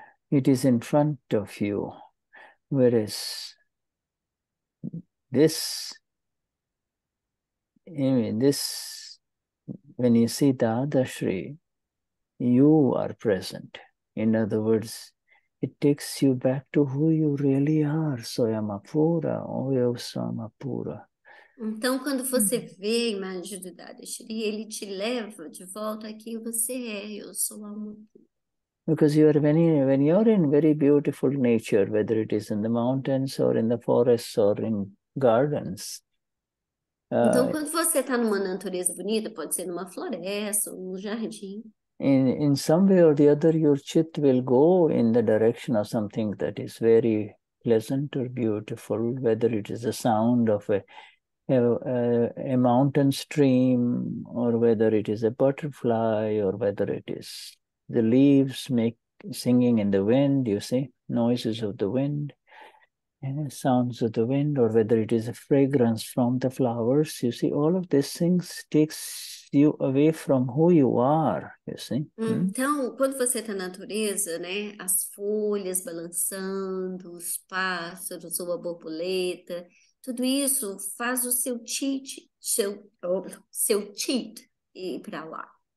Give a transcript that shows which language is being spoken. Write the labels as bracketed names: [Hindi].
[English] It is in front of you. Whereas this. I mean, this, when you see Dada Shri, you are present. In other words, it takes you back to who you really are. [Portuguese] Soyama Pura, ou eu sou Ama Pura. Então, quando você vê a imagem do Dada Shri, ele te leva de volta a quem você é, eu sou Ama Pura. [English] Because you are when you're in very beautiful nature, whether it is in the mountains or in the forests or in gardens, [Portuguese] então, quando você está numa natureza bonita, pode ser numa floresta ou num jardim. [English] In some way or the other, your chit will go in the direction of something that is very pleasant or beautiful, whether it is the sound of a, a mountain stream, or whether it is a butterfly, or whether it is the leaves make singing in the wind, you see, noises of the wind, sounds of the wind, or whether it is a fragrance from the flowers, you see, all of these things takes you away from who you are, you see. [Portuguese] Então, quando você está na natureza, né, as folhas balançando, os pássaros ou a borboleta, tudo isso faz o seu chit, seu chit ir para lá.